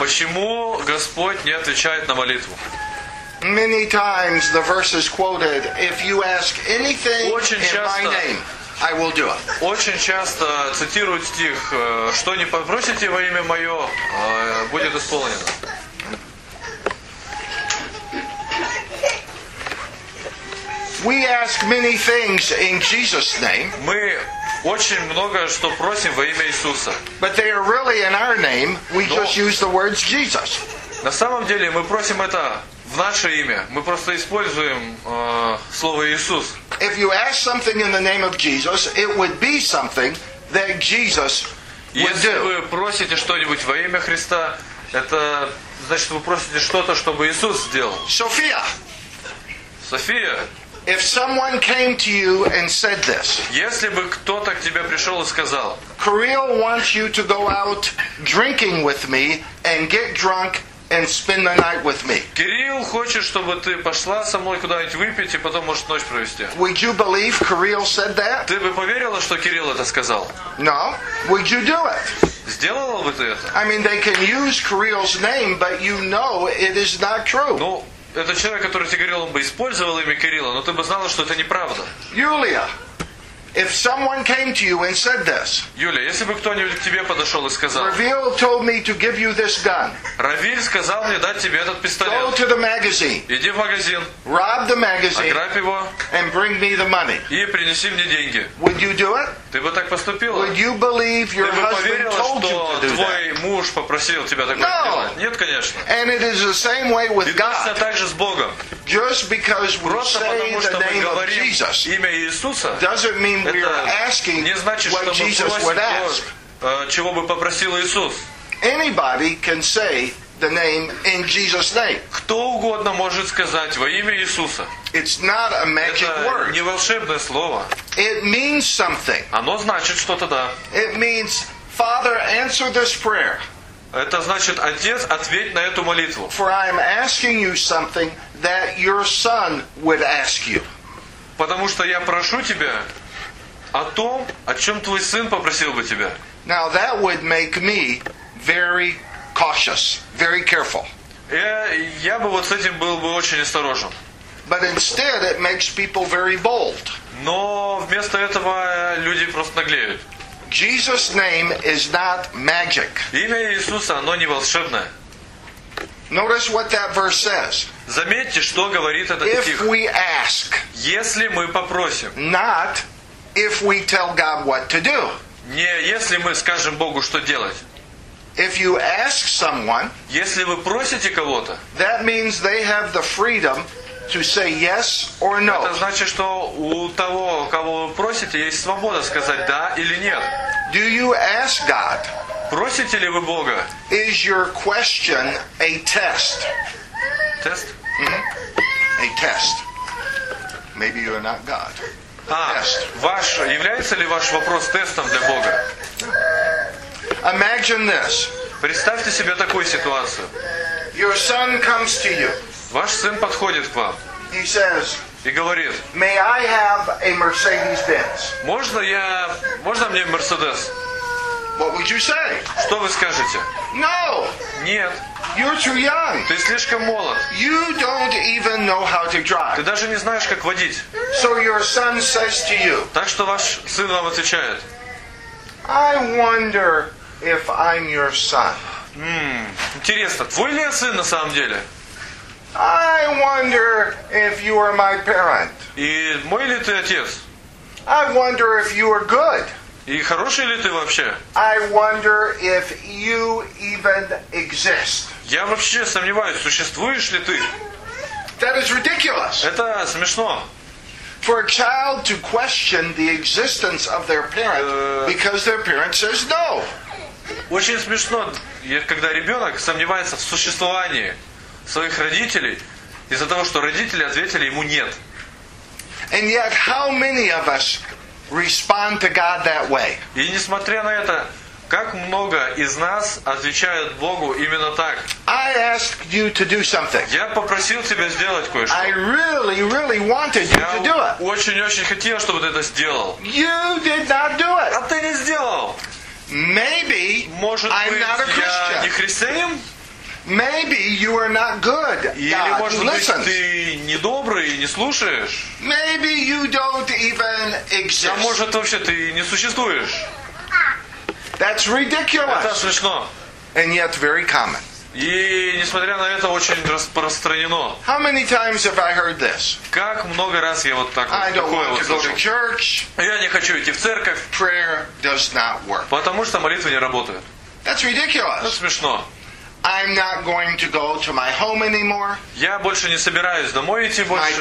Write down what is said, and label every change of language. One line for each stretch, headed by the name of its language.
Russian: Почему Господь не отвечает на молитву?
English: Many times the verse is quoted, if you ask anything in my name, I will do it.
Russian: Очень часто цитируют стих, что не попросите во имя мое, будет исполнено.
English: We ask many things in Jesus' name.
Russian: Мы очень много что просим во имя Иисуса.
English: But they are really in our name. We just use the words Jesus.
Russian: На самом деле мы просим это в наше имя. Мы просто используем слово Иисус.
English: If you ask something in the name of Jesus, it would be something that Jesus would do.
Russian: Если вы просите что-нибудь во имя Христа, это значит, вы просите что-то, чтобы Иисус сделал. София. София.
English: If someone came to you and said this.
Russian: Если бы кто-то к тебе пришёл и сказал:
English: "Kirill wants you to go out drinking with me and get drunk and spend the night with me."
Russian: Кирилл хочет, чтобы ты пошла со мной куда-нибудь выпить и потом может ночь провести.
English: Would you believe Kirill said that?
Russian: Ты бы поверила, что Кирилл это сказал?
English: No. Would you do it?
Russian: Сделала бы ты это?
English: I mean, they can use Kirill's name, but you know it is not true.
Russian: Ну, это человек, который тебе говорил, он бы использовал имя Кирилла, но ты бы знала, что это неправда.
English: Юлия, if someone came to you and said this.
Russian: Юлия, если бы кто-нибудь к тебе подошёл и сказал.
English: Ravil told me to give you this gun.
Russian: Равиль сказал мне дать тебе этот пистолет.
English: Go to the magazine.
Russian: Иди в магазин.
English: Rob the magazine.
Russian: Ограбь его.
English: And bring me the money.
Russian: И принеси мне деньги.
English: Would you do it?
Russian: Ты бы так поступила?
English: Would you believe your husband told you to do that?
Russian: Твой муж попросил тебя такое сделать? Нет, конечно.
English: And it is the same way with God.
Russian: И точно так же с Богом.
English: Just because we
Russian: просто
English: say
Russian: потому,
English: the name of Jesus,
Russian: имя Иисуса,
English: doesn't mean we are asking
Russian: не значит,
English: what Jesus would ask.
Russian: То, чего бы попросил Иисус.
English: Anybody can say the name in Jesus' name.
Russian: Кто угодно может сказать во имя Иисуса.
English: It's not a magic word.
Russian: Это не волшебное слово.
English: It means something.
Russian: Оно значит что-то, да.
English: It means, Father, answer this prayer.
Russian: Это значит, Отец, ответь на эту молитву.
English: For I am asking you something that your son would ask you.
Russian: Потому что я прошу тебя о том, о чём твой сын попросил бы тебя.
English: Now that would make me very cautious, very careful.
Russian: Я бы вот с этим был бы очень осторожен.
English: But instead it makes people very bold.
Russian: Но вместо этого люди просто наглеют.
English: Jesus' name is not magic.
Russian: Имя Иисуса, оно не волшебное.
English: Notice what that verse says.
Russian: Заметьте, что говорит этот
English: if
Russian: стих.
English: If we ask.
Russian: Если мы попросим.
English: Not if we tell God what to do.
Russian: Не если мы скажем Богу, что делать.
English: If you ask someone.
Russian: Если вы просите кого-то.
English: That means they have the freedom to say yes or no.
Russian: Это значит, что у того, кого вы просите, есть свобода сказать да или нет.
English: Do you ask God?
Russian: Просите ли вы Бога?
English: Is your question a test? Test? Mm-hmm. A test. Maybe you are not God. Test.
Russian: Ваш, является ли ваш вопрос тестом для Бога?
English: Imagine this.
Russian: Представьте себе такую ситуацию.
English: Your son comes to you.
Russian: Ваш сын подходит к вам.
English: He says,
Russian: и говорит:
English: "May I have a Mercedes-Benz?"
Russian: Можно мне Mercedes?
English: What would you say?
Russian: Что вы скажете?
English: No.
Russian: Нет.
English: You're too young.
Russian: Ты слишком молод.
English: You don't even know how to drive.
Russian: Ты даже не знаешь, как водить.
English: So your son says to you.
Russian: Так что ваш сын вам отвечает.
English: I wonder if I'm your son.
Russian: Интересно, твой ли я сын на самом деле?
English: I wonder if you are my parent.
Russian: И мой ли ты отец?
English: I wonder if you are good.
Russian: И хороший ли ты вообще?
English: I wonder if you even exist.
Russian: Я вообще сомневаюсь, существуешь ли ты?
English: That is ridiculous.
Russian: Это смешно.
English: For a child to question the existence of their parent because their parent says no.
Russian: Очень смешно, когда ребенок сомневается в существовании своих родителей из-за того, что родители ответили ему нет.
English: And yet, how many of us respond to God that way?
Russian: И несмотря на это, Как много из нас отвечают Богу именно так?
English: I asked you to do something.
Russian: Я попросил тебя сделать кое-что.
English: I really, really wanted you to do it.
Russian: Я очень-очень хотел, чтобы ты это сделал.
English: You did not do it.
Russian: А ты не сделал.
English: Maybe
Russian: может
English: I'm
Russian: быть,
English: not a Christian.
Russian: Я не христианин?
English: Maybe you are not good.
Russian: Или,
English: God,
Russian: может
English: listens.
Russian: Быть, ты не добрый и не слушаешь?
English: Maybe you don't even exist.
Russian: А может вообще ты не существуешь?
English: That's ridiculous.
Russian: Это смешно.
English: And yet very common.
Russian: И несмотря на это очень распространено.
English: How many times have I heard this?
Russian: Как много раз я вот так вот такое вот слышал? Я не хочу идти в церковь.
English: Prayer does not work.
Russian: Потому что молитвы не работают.
English: That's ridiculous.
Russian: Это смешно.
English: I'm not going to go to my home anymore.
Russian: Я больше не собираюсь домой идти больше.